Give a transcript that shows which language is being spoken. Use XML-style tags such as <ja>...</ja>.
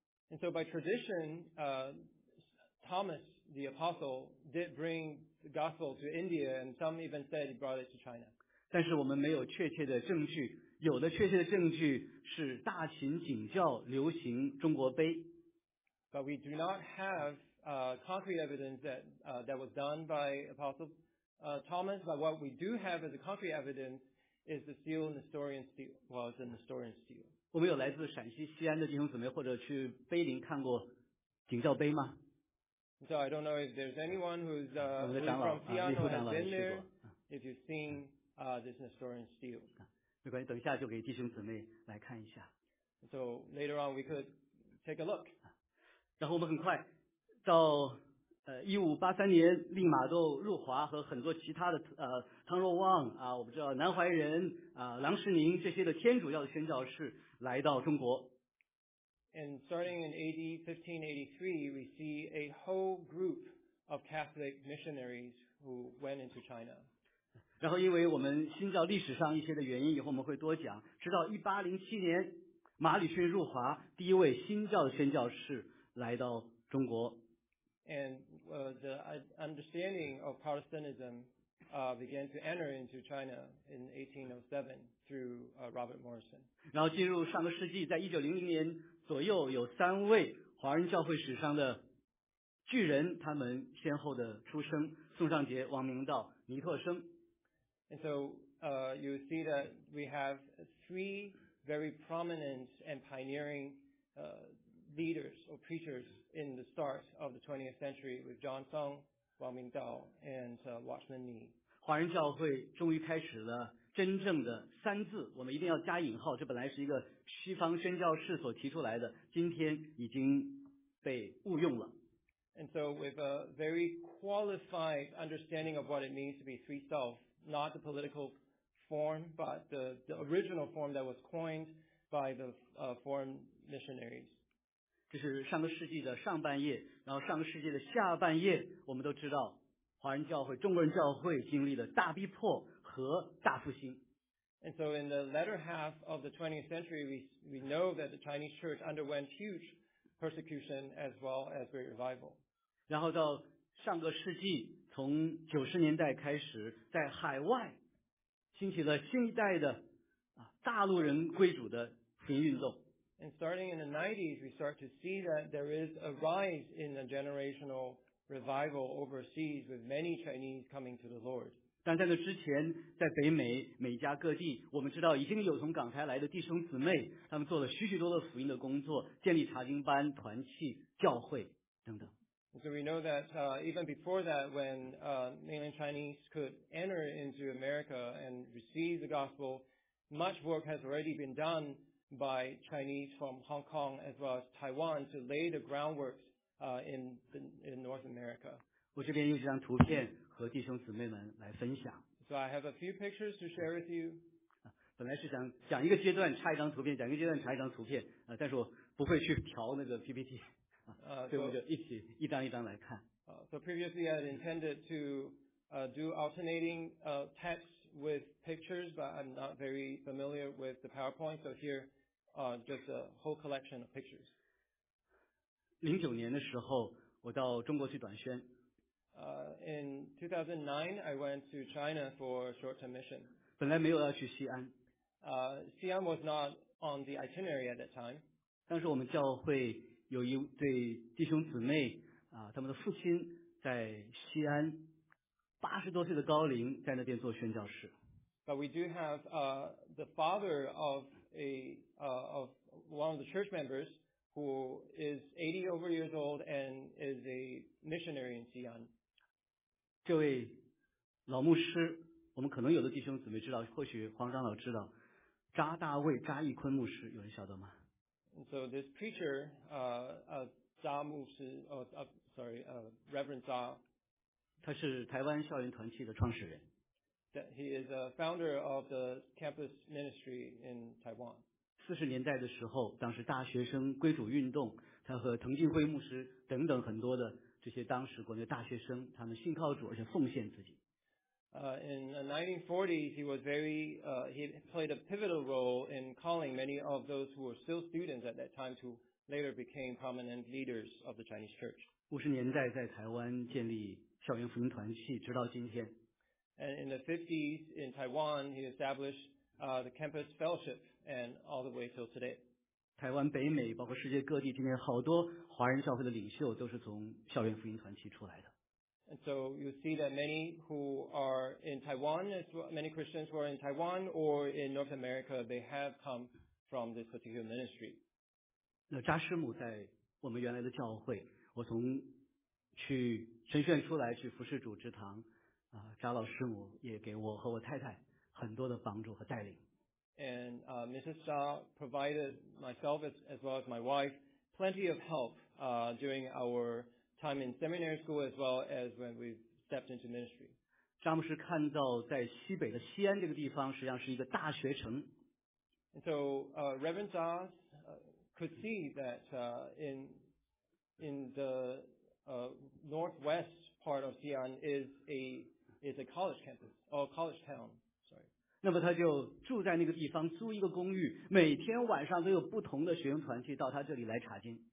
<en>And so by tradition, Thomas the apostle did bring the gospel to India, and some even said he brought it to China.</en> <zh>但是我们没有确切的证据。有的确切的证据是大秦景教流行中国碑。</zh> <en>But we do not have concrete evidence that that was done by Apostle Thomas. But what we do have as a concrete evidence is the seal and the Nestorian seal. Well, it's a Nestorian seal.</en> <zh>我们有来自陕西西安的弟兄姊妹或者去碑林看过景教碑吗</zh> <en>？So I don't know if there's anyone who's from Xi'an or has been there. If you've seen this Nestorian seal.</en> <zh>没关系，等一下就给弟兄姊妹来看一下。</zh> <en>So later on we could take a look.</en> <zh>然后我们很快到1583年，利玛窦入华和很多其他的汤若望啊，我不知道南怀仁啊，郎世宁这些的天主教的宣教士来到中国。</zh> <en>And starting in AD 1583, we see a whole group of Catholic missionaries who went into China.</en> <zh>然后因为我们新教历史上一些的原因以后我们会多讲直到1807年马礼逊入华第一位新教的宣教士来到中国</zh> <en>And the understanding of Protestantism began to enter into China in 1807 through Robert Morrison</en> <zh>然后进入上个世纪在1900年左右有三位华人教会史上的巨人他们先后的出生宋尚杰王明道尼特生</zh> <en>And so you see that we have three very prominent and pioneering leaders or preachers in the start of the 20th century with John Song, Wang Mingdao, and Watchman Nee.</en> <zh>华人教会终于开始了真正的三字，我们一定要加引号，这本来是一个西方宣教士所提出来的，今天已经被误用了。</zh> <en>And so with a very qualified understanding of what it means to be three selves,not the political form, but the original form that was coined by the foreign missionaries.</en> <zh>这是上个世纪的上半叶，然后上个世纪的下半叶，我们都知道华人教会、中国人教会经历了大逼迫和大复兴。</zh> <en>And so in the latter half of the 20th century, we know that the Chinese church underwent huge persecution as well as great revival.</en> <zh>然后到上个世纪从90年代开始在海外兴起了新一代的大陆人归主的福音运动</zh> <en>And starting in the 90s we start to see that there is a rise in a generational revival overseas with many Chinese coming to the Lord</en> <zh>但在那之前在北美美加各地我们知道已经有从港台来的弟兄姊妹他们做了许许多多福音的工作建立查经班团契教会等等</zh> <en>So we know that even before that, when mainland Chinese could enter into America and receive the gospel, much work has already been done by Chinese from Hong Kong as well as Taiwan to lay the groundwork in North America.</en> <zh>我这边有几张图片和弟兄姊妹们来分享。</zh> <en>So I have a few pictures to share with you.</en> <zh>本来是想讲一个阶段插一张图片，讲一个阶段插一张图片，但是我不会去调那个 PPT。所以我们就一起一张一张来看。</zh> <en>So previously I had intended to do alternating text with pictures, but I'm not very familiar with the PowerPoint. So here, just a whole collection of pictures.</en> <zh>09年的时候，我到中国去短宣。</zh> <en>In 2009, I went to China for a short-term mission.</en> <zh>本来没有要去西安。</zh> <en>西安 was not on the itinerary at that time.</en> <zh>但是我们教会。有一对弟兄姊妹他们的父亲在西安80多岁的高龄在那边做宣教士</zh> <en>But we do have the father of of one of the church members who is 80 over years old and is a missionary in 西安</en> <zh>这位老牧师我们可能有的弟兄姊妹知道或许黄长老知道扎大卫扎义坤牧师有人晓得吗</zh> <en>And so this preacher, Reverend Zha,</en> <zh>他是台湾校园团契的创始人。</zh> <en>That he is a founder of the campus ministry in Taiwan.</en> <zh>40年代的时候，当时大学生归主运动，他和滕进辉牧师等等很多的这些当时国内大学生，他们信靠主而且奉献自己。</zh> <en>In the 1940s, he was he played a pivotal role in calling many of those who were still students at that time to later became prominent leaders of the Chinese church.</en> <zh>50年代在台湾建立校园福音团契，直到今天。</zh> <en>And in the 50s in Taiwan, he established the campus fellowship, and all the way till today.</en> <zh>台湾、北美，包括世界各地，今天好多华人教会的领袖都是从校园福音团契出来的。</zh> <en>And so you see that many who are in Taiwan, many Christians who are in Taiwan or in North America, they have come from this particular ministry.</en> <zh>那扎师母在我们原来的教会，我从去神学院出来去服侍主职堂。扎老师母也给我和我太太很多的帮助和带领。</zh> <en>And Mrs. Zha provided myself as well as my wife plenty of help during our time in seminary school as well as when we stepped into ministry.</en> <zh>扎牧师看到在西北的西安这个地方实际上是一个大学城。</zh> <en>And so Reverend Zha could see that in the northwest part of Xi'an is a college campus or college town. Sorry.</en> <zh>那么他就住在那个地方，租一个公寓，每天晚上都有不同的学生团去到他这里来查经。</zh>